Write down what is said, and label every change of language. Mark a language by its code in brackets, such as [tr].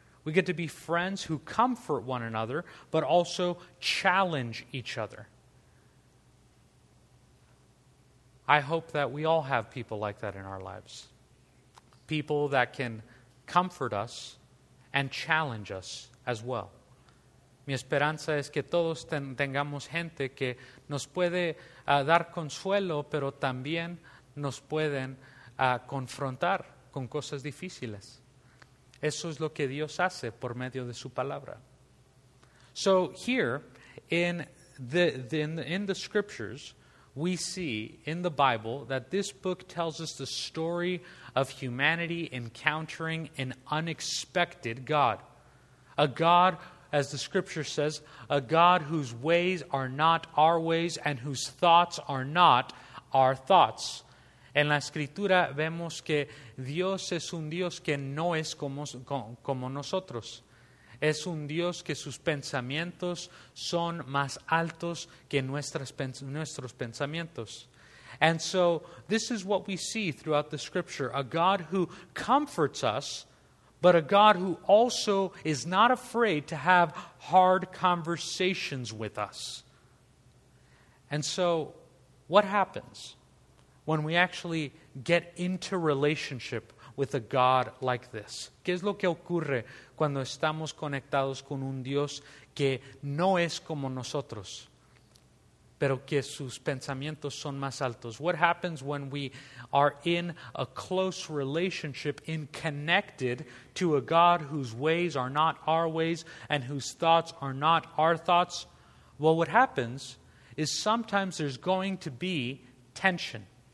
[en] We get to be friends who comfort one another, but also challenge each other. I hope that we all have people like that in our lives. People that can comfort us and challenge us as well. [es] Mi esperanza es que todos tengamos gente que nos puede dar consuelo, pero también nos pueden confrontar con cosas difíciles. Eso es lo que Dios hace por medio de su palabra. [en] So here in the scriptures, we see in the Bible that this book tells us the story of humanity encountering an unexpected God. A God, as the scripture says, a God whose ways are not our ways and whose thoughts are not our thoughts. [es] En la Escritura vemos que Dios es un Dios que no es como nosotros. Es un Dios que sus pensamientos son más altos que nuestros pensamientos. [en] And so this is what we see throughout the Scripture, a God who comforts us, but a God who also is not afraid to have hard conversations with us. And so what happens when we actually get into relationship with a God like this? [es] ¿Qué es lo que ocurre cuando estamos conectados con un Dios que no es como nosotros? pero que sus pensamientos son más altos. [en] What happens when we are in a close relationship and connected to a God whose ways are not our ways and whose thoughts are not our thoughts? Well, what happens is sometimes there's going to be tension.